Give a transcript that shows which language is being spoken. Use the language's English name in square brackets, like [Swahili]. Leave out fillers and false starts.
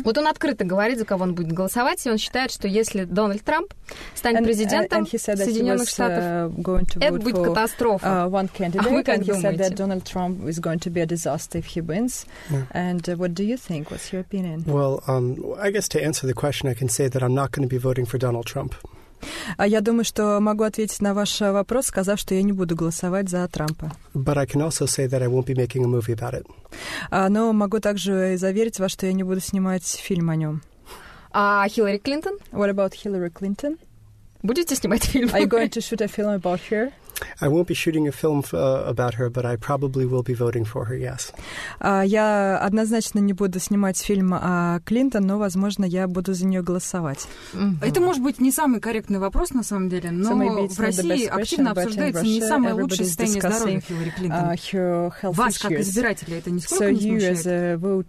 [Russian] Вот он открыто говорит, за кого он будет голосовать, и он считает, что если Дональд Трамп станет президентом Соединенных Штатов, это будет катастрофа. [English] One candidate, and he said that Donald Trump is going to be a disaster if he wins. And what do you think? What's your opinion? Well, I guess to answer the question, I can say that I'm not going to be voting for Donald Trump. [Russian] Я думаю, что могу ответить на ваш вопрос, сказав, что я не буду голосовать за Трампа. [English] But I can also say that I won't be making a movie about it. [Russian] Но могу также и заверить вас, что я не буду снимать фильм о нем. А Хиллари Клинтон? [English] What about Хиллари Клинтон? [Russian] Будете снимать фильм? [English] Are you going to shoot a film about her? I won't be shooting a film about her, but I probably will be voting for her, yes. [Russian] Я однозначно не буду снимать фильм о Клинтон, но, возможно, я буду за нее голосовать. Это, может быть, не самый корректный вопрос, на самом деле, но в России активно обсуждается не самое лучшее состояние здоровья Хиллари Клинтон. Вас, как избирателя, это нисколько не смущает?